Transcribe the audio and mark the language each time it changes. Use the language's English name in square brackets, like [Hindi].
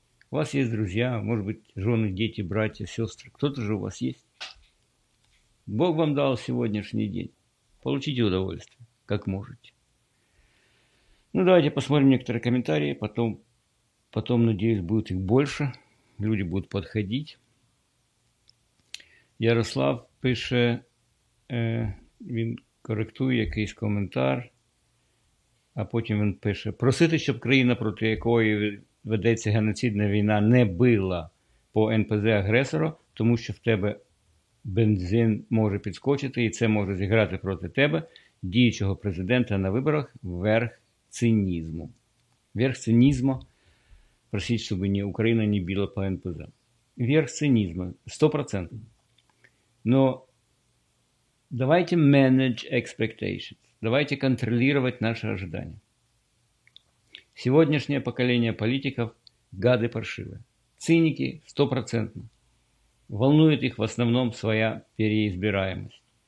[Russian] У вас есть друзья, может быть, жены, дети, братья, сестры. Кто-то же у вас есть. Бог вам дал сегодняшний день. Получите удовольствие, как можете. Ну, давайте посмотрим некоторые комментарии. Потом, надеюсь, будет их больше. Люди будут подходить. [Ukrainian] Ярослав пише, він коректує якийсь коментар. А потім він пише, просити, щоб країна, проти якої ведеться геноцидна війна, не била по НПЗ агресора, тому що в тебе бензин може підскочити, і це може зіграти проти тебе, діючого президента на виборах, верх цинізму. Верх цинізму, просить, щоб ні, Україна не била по НПЗ. Верх цинізму, 100%. Но давайте [English] manage expectations, [Ukrainian] давайте контролювати наші ожидання. [Russian] Сегодняшнее поколение политиков – гады паршивые. Циники – 100%. Волнует их в основном своя переизбираемость.